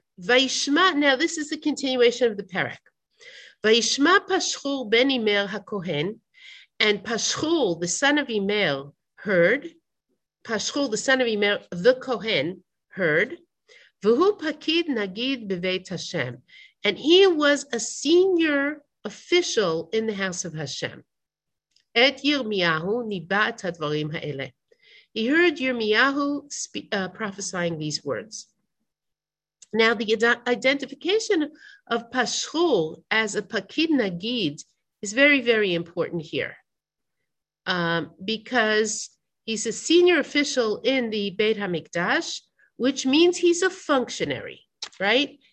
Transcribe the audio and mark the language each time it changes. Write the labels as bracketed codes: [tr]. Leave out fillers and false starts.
[en] Vayishma, now this is the continuation of the Perek. [he] Vayishma Pashhur ben Immer HaKohen, [en] and Pashhur, the son of Immer, heard. Pashhur, the son of Immer, the Kohen, heard. [he] Vuhu Pakid Nagid Bevet Hashem. [en] And he was a senior official in the house of Hashem. [he] את ירמיהו ניבא את הדברים האלה. [en] He heard Yirmiyahu prophesying these words. Now, the identification of Pashhur as a Pakid Nagid is very, very important here because he's a senior official in the Beit HaMikdash, which means he's a functionary, right?